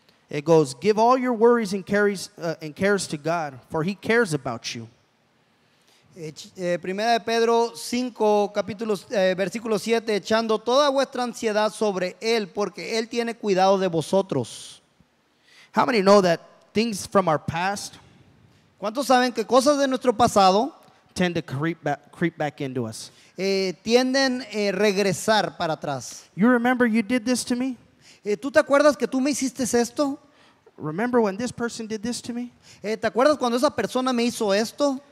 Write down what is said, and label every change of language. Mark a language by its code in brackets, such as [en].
[en] It goes, give all your worries and cares to God, for he cares about you. [es] Primera de Pedro 5, capítulo, versículo 7. Echando toda vuestra ansiedad sobre él, porque él tiene cuidado de vosotros. [en] How many know that things from our past? [es] ¿Cuántos saben que cosas de nuestro pasado [en] tend to creep back into us? [es] Tienden regresar para atrás. [en] You remember you did this to me? [es] ¿Tú te acuerdas que tú me hiciste esto? [en] Remember when this person did this to me? [es] ¿Te acuerdas cuando esa persona me hizo esto?